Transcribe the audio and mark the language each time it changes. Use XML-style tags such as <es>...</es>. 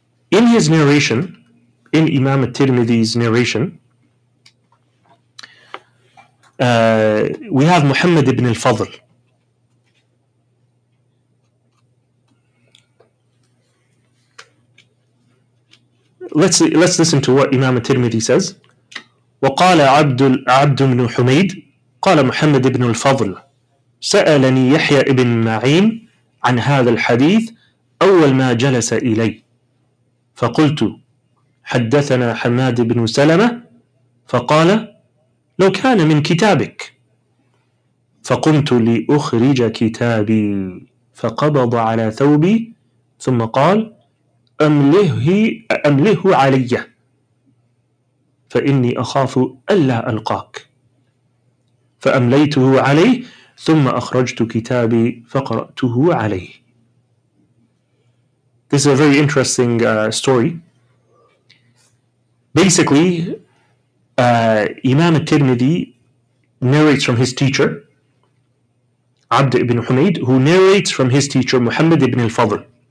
<en>In his narration, in Imam al-Tirmidhi's narration, we have Muhammad ibn al-Fadl. Let's listen to what Imam al-Tirmidhi says.</en> <ar>وَقَالَ عَبْدُ بْنُ حُمَيْدٍ قَالَ مُحَمَّدِ بْنُ الْفَضْلِ سَأَلَنِي يَحْيَى إِبْنُ مَعِينَ عَنْ هَذَا الْحَدِيثِ أَوَّلْ مَا جَلَسَ إِلَيْهِ فقلت حدثنا حماد بن سلمة فقال لو كان من كتابك فقمت لأخرج كتابي فقبض على ثوبي ثم قال أمله علي فإني أخاف ألا ألقاك فأمليته عليه ثم أخرجت كتابي فقرأته عليه.</ar> <en>This is a very interesting story. Basically, Imam al-Tirmidhi narrates from his teacher, Abd ibn Humaid, who narrates from his teacher, Muhammad ibn al-Fadl.</en>